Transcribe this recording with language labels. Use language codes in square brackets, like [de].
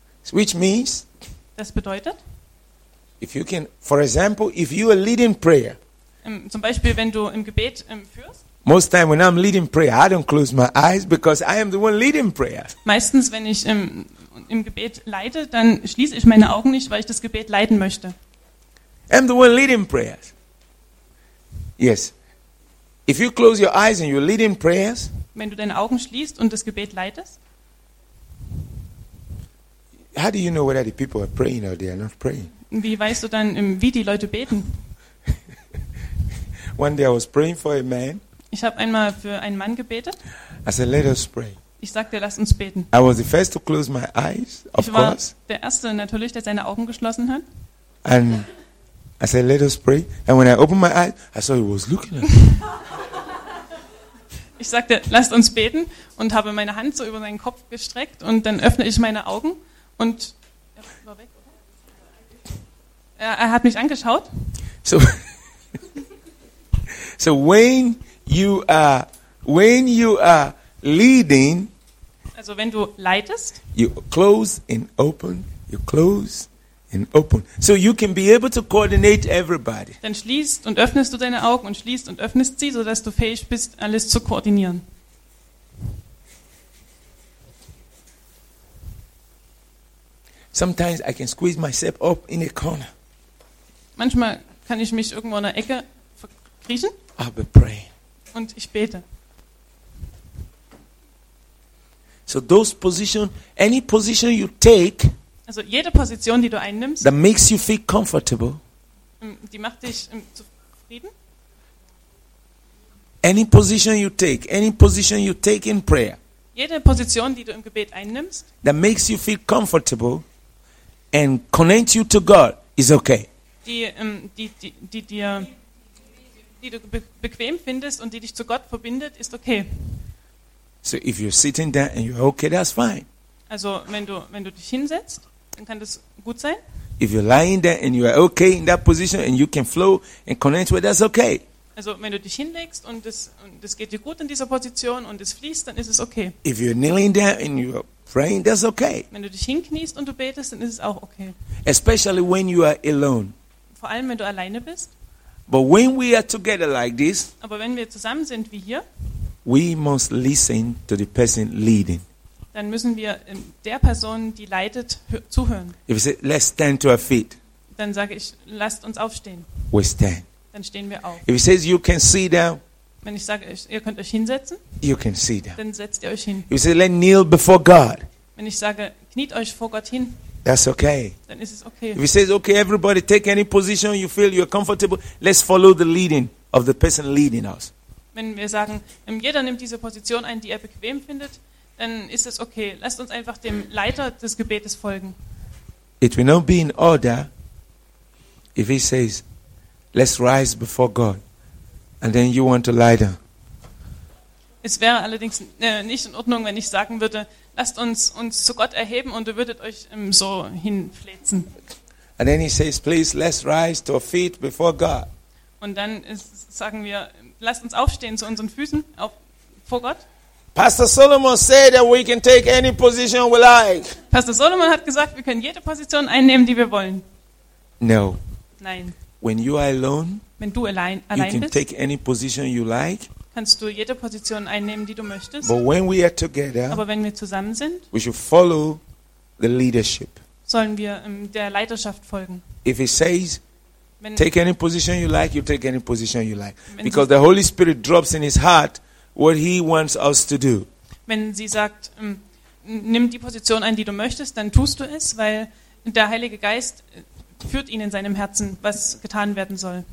[en] Which means, [de] das bedeutet, [en] if you can, for example, if you are leading prayer, [de] zum Beispiel, wenn du im Gebet führst, [en] most time when I'm leading prayer, I don't close my eyes because I am the one leading prayer. [de] Meistens, wenn ich im Gebet leite, dann schließe ich meine Augen nicht, weil ich das Gebet leiten möchte. [en] I'm the one leading prayers. Yes. If you close your eyes and you're leading prayers, [de] wenn du deine Augen schließt und das Gebet leitest, [en] how do you know whether the people are praying or they are not praying? [de] Wie weißt du dann, wie die Leute beten? [en] One day I was praying for a man. [de] Ich habe einmal für einen Mann gebetet. [en] I said, let us pray. [de] Ich sagte, lass uns beten. [en] I was the first to close my eyes, of [de] Ich war der Erste, natürlich, der seine Augen geschlossen hat. [en] And I said, let us pray. And when I opened my eyes, I saw he was looking at me. [de] Ich sagte, lasst uns beten und habe meine Hand so über seinen Kopf gestreckt und dann öffne ich meine Augen und war weg, oder? Er hat mich angeschaut. [en] So when When you are leading, [de] also wenn du leitest, [en] you close and open, you close and open, so you can be able to coordinate everybody. [de] Dann schließt und öffnest du deine Augen und schließt und öffnest sie, so dass du fähig bist, alles zu koordinieren. [en] Sometimes I can squeeze myself up in a corner. [de] Manchmal kann ich mich irgendwo in der Ecke verkriechen. [en] I'll be praying. [de] Und ich bete. [en] So those position, any position you take, [de] also jede Position, die du einnimmst, [en] that makes you feel comfortable, [de] die macht dich zufrieden. [en] Any position you take in prayer, [de] jede Position, die du im Gebet einnimmst, [en] that makes you feel comfortable and connect you to God, is okay. [de] Die du bequem findest und die dich zu Gott verbindet, ist okay. [en] So if you're sitting there and you're okay, that's fine. [de] Also wenn du dich hinsetzt, dann kann das gut sein. [en] If you're lying there and you're okay in that position and you can flow and connect with, that's okay. [de] Also wenn du dich hinlegst und das geht dir gut in dieser Position und es fließt, dann ist es okay. [en] If you're kneeling there and you're praying, that's okay. [de] Wenn du dich hinkniest und du betest, dann ist es auch okay. [en] Especially when you are alone. [de] Vor allem wenn du alleine bist. [en] But when we are together like this, [de] aber wenn wir zusammen sind wie hier, [en] we must listen to the person leading. [de] Dann müssen wir der Person, die leitet, zuhören. [en] If you say, let's stand to our feet, [de] dann sage ich, lasst uns aufstehen. [en] We stand. [de] Dann stehen wir auf. [en] If he says you can sit down, [de] wenn ich sage, ihr könnt euch hinsetzen, [en] you can sit down, [de] dann setzt ihr euch hin. [en] If he says let's kneel before God, [de] wenn ich sage, kniet euch vor Gott hin, [en] that's okay. [de] Dann ist es okay. [en] If he says okay, everybody take any position you feel you're comfortable, let's follow the leading of the person leading us. [de] Wenn wir sagen, jeder nimmt diese Position ein, die er bequem findet, dann ist es okay. Lasst uns einfach dem Leiter des Gebetes folgen. [en] It will not be in order if he says, let's rise before God, and then you want to lie down. [de] Es wäre allerdings nicht in Ordnung, wenn ich sagen würde, lasst uns zu Gott erheben und ihr würdet euch so hinfläzen. [en] And then he says, please, let's rise to our feet before God. [de] Und dann sagen wir, lasst uns aufstehen zu unseren Füßen vor Gott. [en] Pastor Solomon said that we can take any position we like. [de] Pastor Solomon hat gesagt, wir können jede Position einnehmen, die wir wollen. [en] No. [de] Nein. [en] When you are alone, [de] wenn du allein [en] you can [de] bist, [en] take any position you like, [de] kannst du jede Position einnehmen, die du möchtest. [en] But when we are together, [de] aber wenn wir zusammen sind, [en] we should follow the leadership. [de] Sollen wir der Leiterschaft folgen. [en] If he says, take any position you like, you take any position you like. Because the Holy Spirit drops in his heart what he wants us to do. [de] Wenn sie sagt, nimm die Position ein, die du möchtest, dann tust du es, weil der Heilige Geist führt ihn in seinem Herzen, was getan werden soll.